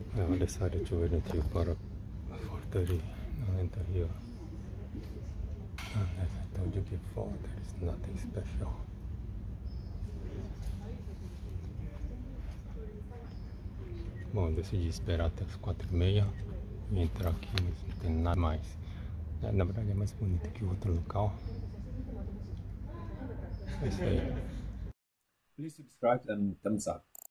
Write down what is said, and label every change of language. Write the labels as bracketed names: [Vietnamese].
[Portuguese] Olha só, deixa eu ver aqui para a porta ali. Não entra ali, ó. [English] As I told you before, there is nothing special. [Portuguese] Bom, decidi esperar até as 4:30 e entrar aqui, mas não tem nada mais. Na verdade é mais bonito que o outro local. É isso aí. [English] Please subscribe and thumbs up.